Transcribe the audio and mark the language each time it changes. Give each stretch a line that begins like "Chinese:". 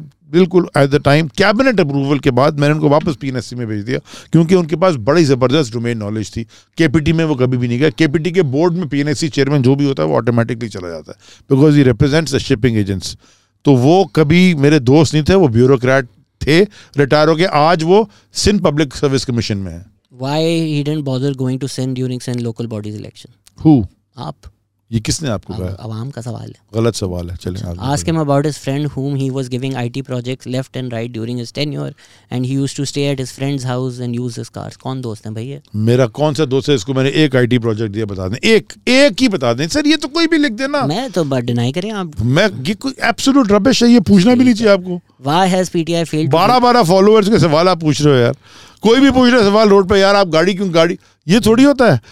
Urdu: بالکل at the time cabinet approval کے بعد میں نے ان کو واپس پی این ایس سی میں بھیج دیا, کیونکہ ان کے پاس بڑی زبردست ڈومین نالج تھی. کے پی ٹی میں وہ کبھی بھی نہیں گیا. کے پی ٹی کے بورڈ میں پی این ایس سی چیئرمین جو بھی ہوتا ہے وہ آٹومیٹکلی چلا جاتا ہے
English: Because he represents the shipping agents.
Urdu: تو وہ کبھی میرے دوست نہیں تھے, وہ بیوروکریٹ تھے ریٹائر ہو کے. آج وہ سندھ پبلک سروس کمیشن میں ہے.
English: Why he didn't bother going to Sindh during Sindh local bodies election? Who?
Urdu: آپ. یہ کس نے آپ کو کہا؟ عوام کا سوال ہے. غلط سوال ہے. چلیں
English: ask him about his friend whom he was giving IT projects left and right during his tenure and he used to stay at his friend's house and use his cars.
Urdu: کون دوست ہیں بھائی؟ میرا کون سا دوست ہے اس کو میں نے ایک IT project دیا؟ بتا دیں ایک ایک ہی بتا دیں سر. یہ تو کوئی بھی لکھ دینا. میں تو ڈینائی کریں آپ. میں یہ کوئی ایبسولوٹ ربش ہے, یہ پوچھنا بھی نہیں چاہیے آپ کو.
English: Why has PTI failed?
Urdu: 12 followers کے سوال آپ پوچھ رہے ہو یار. کوئی بھی پوچھ رہا سوال روڈ پہ, یار آپ گاڑی کیوں گاڑی, یہ تھوڑی ہوتا ہے.